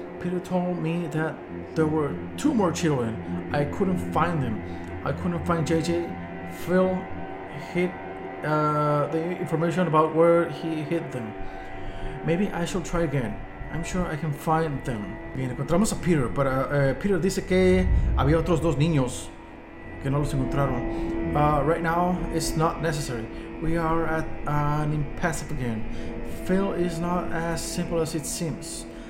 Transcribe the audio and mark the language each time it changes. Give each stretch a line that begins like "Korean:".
English: Peter told me that there were two more children. I couldn't find them. I couldn't find JJ. Phil hid the information about where he hid them. Maybe I should try again. I'm sure I can find them.
Spanish: Bien, encontramos a Peter, pero Peter dice que había otros dos niños que no los encontraron.
English: Right now, it's not necessary. We are at an impasse again. Phil is not as simple as it seems.